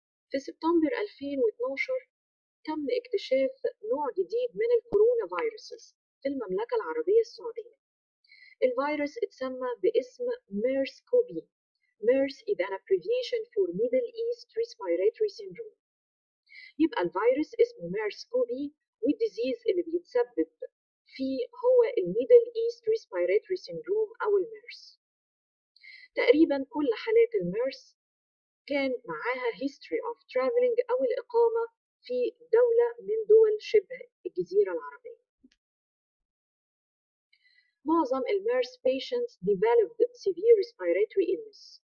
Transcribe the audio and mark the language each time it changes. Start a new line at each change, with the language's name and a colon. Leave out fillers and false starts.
Arabic: في سبتمبر 2012 تم اكتشاف نوع جديد من الكورونا فيروسز في المملكة العربية السعودية. الفيروس اتسمى باسم MERS-CoV.
English: MERS is an abbreviation for Middle East Respiratory Syndrome.
Arabic: يبقى الفيروس اسمه MERS-CoV والديزيز اللي بيتسبب فيه هو Middle East Respiratory Syndrome أو MERS. تقريبا كل حالات MERS كان معاها
English: history of traveling
Arabic: أو الإقامة في دولة من دول شبه الجزيرة العربية. معظم المرس
English: patients developed severe respiratory illness.